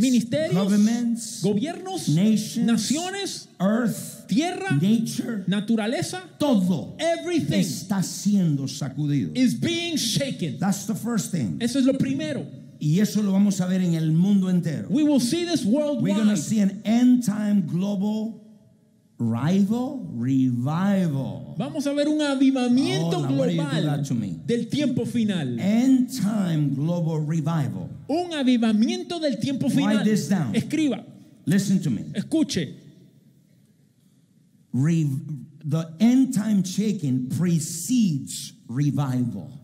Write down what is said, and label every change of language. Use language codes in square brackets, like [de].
[es] ministerios, [en] governments, [es] gobiernos, [en] nations, [es] naciones, [en] earth, [es] tierra, [en] nature, [es] naturaleza, todo, [en] everything [es] está siendo sacudido. [en] Is being shaken. That's the first thing. [es] Eso es lo primero. Y eso lo vamos a ver en el mundo entero. [en] We will see this worldwide. We're going to see an end time global revival. [es] Vamos a ver un avivamiento global del tiempo final. [en] End time global revival. [es] Un avivamiento del tiempo final. [en] Write this down. [es] Escriba. [en] Listen to me. [es] Escuche. [en] The end time shaking precedes revival.